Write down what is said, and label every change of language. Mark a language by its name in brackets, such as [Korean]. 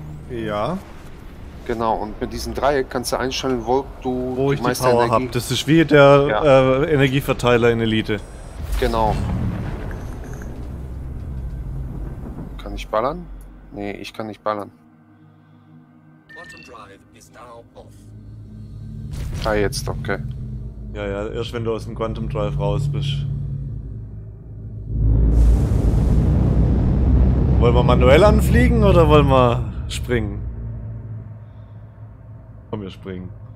[German] Ja. Genau, und mit diesem Dreieck kannst du einstellen, wo du wo die ich meiste die Power Energie... hab. Das ist wie der ja. Energieverteiler in Elite. Genau. Kann ich ballern? Nee, ich kann nicht ballern. [English] Quantum Drive is now off. [German] Ah, jetzt, okay. Ja, ja, erst wenn du aus dem Quantum Drive raus bist. Wollen wir manuell anfliegen oder wollen wir springen? Komm, wir springen.